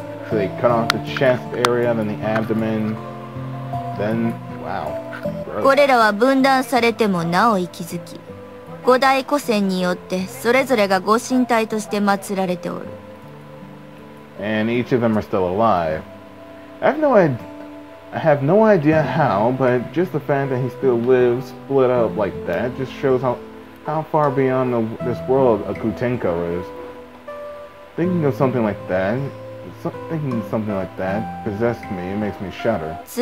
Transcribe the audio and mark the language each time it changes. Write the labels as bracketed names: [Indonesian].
[English] So they cut off the chest area, then the abdomen... Then... Wow. [Japanese] これらは分断されてもなお生き続き、五大古戦によってそれぞれが御神体として祀られておる。 [English] And each of them are still alive. I have no idea how, but just the fact that he still lives split up like that just shows how far beyond this world a Kutenko is. Thinking something like that possessed me and makes me shudder.